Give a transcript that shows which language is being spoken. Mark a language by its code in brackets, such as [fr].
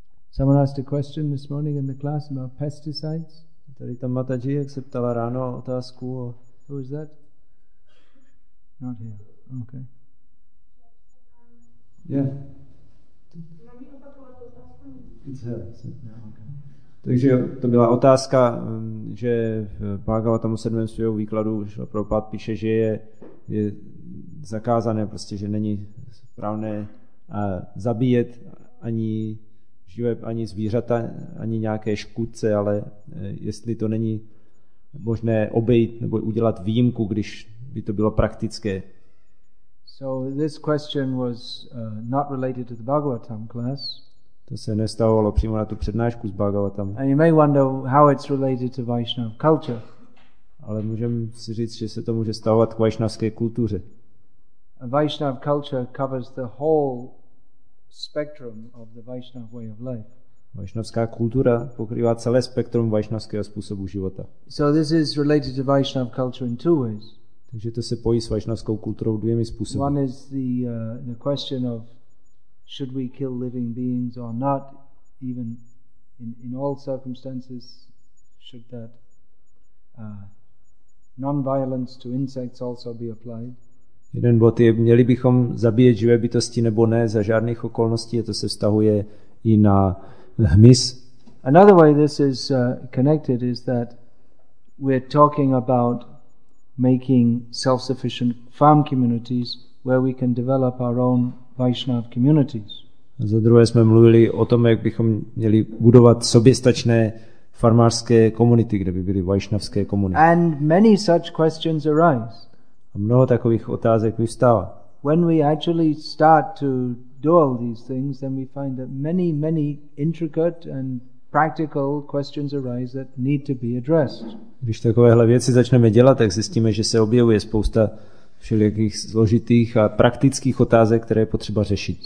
[en] Someone asked a question this morning in the class about pesticides. [cs] Tady ta Mataji se ptala ráno otázku o... [en] Who is that? Not here. Okay. Yeah. [cs] Takže to byla otázka, že v Bhagavatam o 7. svého výkladu Šrila Prabhupáda píše, že je zakázané, prostě, že není správné zabíjet ani živé ani zvířata, ani nějaké škůdce, ale jestli to není možné obejít nebo udělat výjimku, když by to bylo praktické. [en] So this question was not related to the Bhagavatam class. [cs] To se nestavovalo přímo na tu přednášku z Bhagavatam. [en] And you may wonder how it's related to Vaishnav culture. [cs] Ale můžeme si říct, že se to může stavovat k vaishnavské kultuře. [en] A Vaishnav culture covers the whole spectrum of the Vaishnav way of life. [cs] Vaishnavská kultura pokrývá celé spektrum vaishnavského způsobu života. [en] So this is related to Vaishnav culture in two ways. [cs] Takže to se pojí s vaishnavskou kulturou dvěmi způsoby. [en] One is the question of should we kill living beings or not, even in all circumstances, should that non-violence to insects also be applied? [cs] Jeden bod je, měli bychom zabíjet živé bytosti nebo ne, za žádných okolností, a to se vztahuje i na hmyz. [en] Another way this is connected is that we're talking about making self-sufficient farm communities where we can develop our own Vaishnav communities. [cs] A za druhé jsme mluvili o tom, jak bychom měli budovat soběstačné farmářské komunity, kde by byly vaishnavské komunity. [en] And many such questions arise. [cs] A mnoho takových otázek vyvstává. [en] When we actually start to do all these things, then we find that many, many intricate and practical questions arise that need to be addressed. [cs] Když takovéhle věci začneme dělat, tak zjistíme, že se objevuje spousta všelijakých složitých a praktických otázek, které je potřeba řešit.